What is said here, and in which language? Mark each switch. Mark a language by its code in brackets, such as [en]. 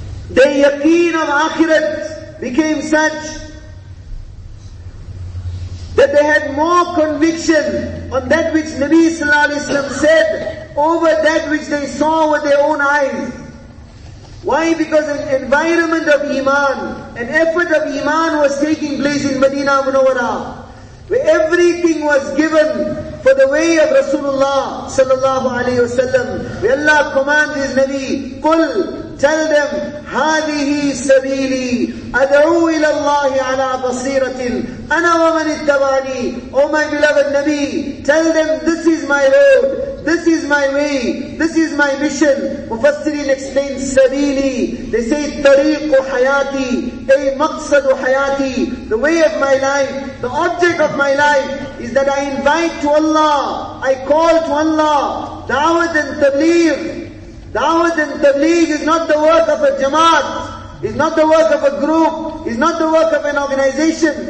[en] The yaqeen of akhirat became such that they had more conviction on that which Nabi sallallahu alaihi wasallam said over that which they saw with their own eyes. Why? Because an environment of iman, an effort of iman was taking place in Medina Munawwara, where everything was given for the way of Rasulullah sallallahu alaihi wasallam. Where Allah commands His Nabi, "Qul." [ar] Tell them, هذه سبيلي أدعو إلى الله على بصيرة أنا ومن اتبعني. [en] O my beloved Nabi, tell them, this is my road, this is my way, this is my mission. Mufassirin explain سبيلي. [ar] They say, طريق حياتي أي مقصد حياتي. [en] The way of my life, the object of my life is that I invite to Allah, I call to Allah, دعوت and تبليغ. Dawat and tabligh is not the work of a jamaat, is not the work of a group, is not the work of an organization.